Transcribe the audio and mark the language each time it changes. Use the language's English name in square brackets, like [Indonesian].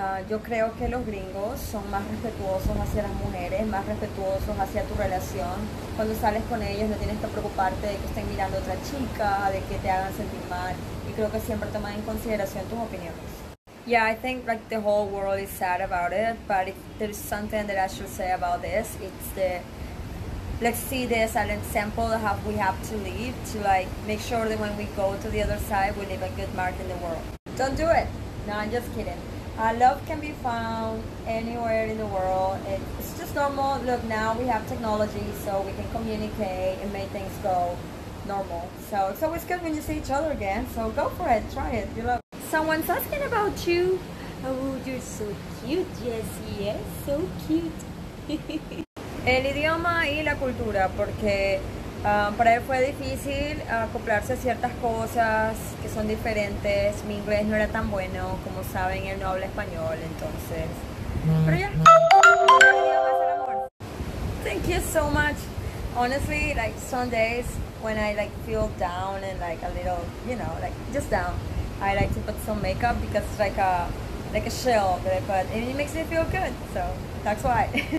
[Spanish] Yo creo que los gringos son más respetuosos hacia las mujeres, más respetuosos hacia tu relación. Cuando sales con ellos no tienes que preocuparte de que estén mirando a otra chica, de que te hagan sentir mal. Y creo que siempre toman en consideración tus opiniones. [English] Yeah, I think like the whole world is sad about it, but if there's something that I should say about this, it's the let's see this as an example of how we have to live to like make sure that when we go to the other side, we leave a good mark in the world. Don't do it. No, I'm just kidding. Love can be found anywhere in the world. It's just normal. Look, now we have technology, so we can communicate and make things go normal. So it's always good when you see each other again. So go for it. Try it. You love. Someone's asking about you. Oh, you're so cute, Jessie. So cute. [Spanish] El idioma y la cultura, porque para él fue difícil acoplarse a ciertas cosas que son diferentes. Mi inglés no era tan bueno, como saben, él no habla español, entonces. Pero ya, el idioma es el amor. [English] Thank you so much. Honestly, like some days when I like feel down and like a little, you know, like just down, I like to put some makeup because it's like a shell that I put, and it makes me feel good. So that's why.